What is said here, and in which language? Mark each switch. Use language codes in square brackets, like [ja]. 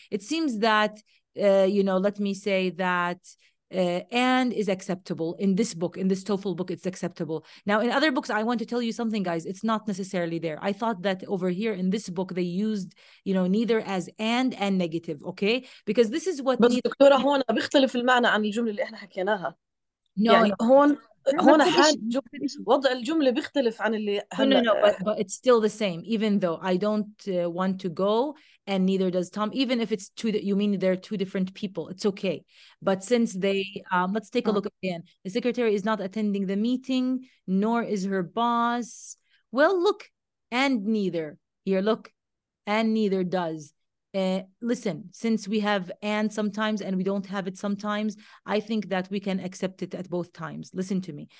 [en] It seems that, you know, let me say that and is acceptable in this book, in this TOEFL book, it's acceptable. Now, in other books, I want to tell you something, guys. It's not necessarily there. I thought that over here in this book, they used, you know, neither as and negative, okay? Because this is what... But the doctor here, it differs from the meaning of the sentence that we have spoken about. No, [ar] هون حاج وضع الجملة بيختلف عن اللي [en] هلا no, but it's still the same even though I don't want to go and neither does Tom even if it's two that you mean they're two different people it's okay but since they let's take a look again the secretary is not attending the meeting nor is her boss well look and neither here look and neither does listen, since we have and sometimes and we don't have it sometimes, I think that we can accept it at both times. Listen to me.